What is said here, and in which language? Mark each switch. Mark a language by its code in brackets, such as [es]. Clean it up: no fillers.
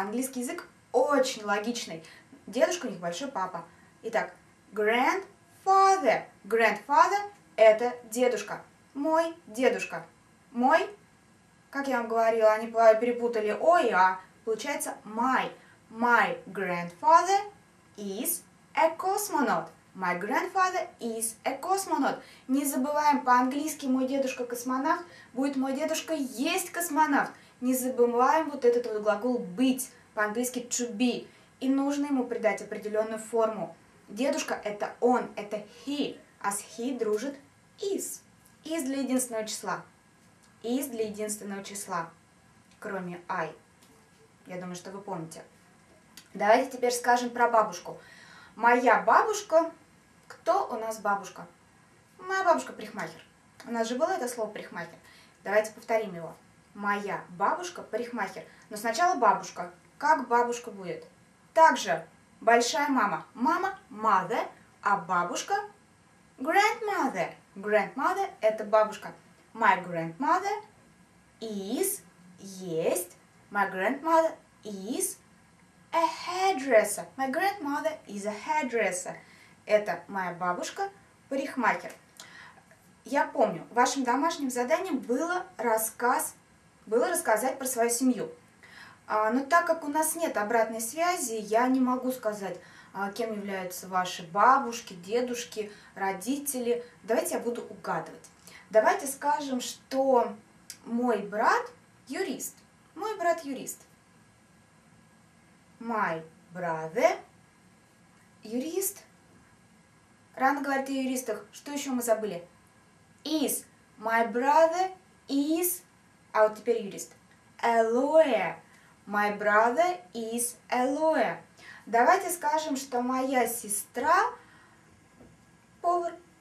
[ru] Английский язык очень логичный. Дедушка у них большой папа. Итак, grandfather. Grandfather – это дедушка. Мой дедушка. Мой, как я вам говорила, они перепутали о и а. Получается my. [en] My grandfather is a cosmonaut. My grandfather is a cosmonaut. [ru] Не забываем по-английски «мой дедушка-космонавт» будет «мой дедушка есть космонавт». Не забываем вот этот вот глагол «быть» по-английски «to be». И нужно ему придать определенную форму. Дедушка – это он, это he, а с he дружит is. Is для единственного числа. Is для единственного числа, кроме I. Я думаю, что вы помните. Давайте теперь скажем про бабушку. Моя бабушка. Кто у нас бабушка? Моя бабушка – парикмахер. У нас же было это слово «парикмахер». Давайте повторим его. Моя бабушка – парикмахер. Но сначала бабушка. Как бабушка будет? Также большая мама. Мама – mother, а бабушка – grandmother. Grandmother – это бабушка. [en] My grandmother is, есть, my grandmother is a hairdresser. My grandmother is a hairdresser. [ru] Это моя бабушка – парикмахер. Я помню, вашим домашним заданием было было рассказать про свою семью. Но так как у нас нет обратной связи, я не могу сказать, кем являются ваши бабушки, дедушки, родители. Давайте я буду угадывать. Давайте скажем, что мой брат – юрист. Мой брат – юрист. [en] My brother – юрист. [ru] Рано говорить о юристах. Что еще мы забыли? Is. [en] My brother is… [ru] А вот теперь юрист. [en] A lawyer. My brother is a lawyer. [ru] Давайте скажем, что моя сестра – повар.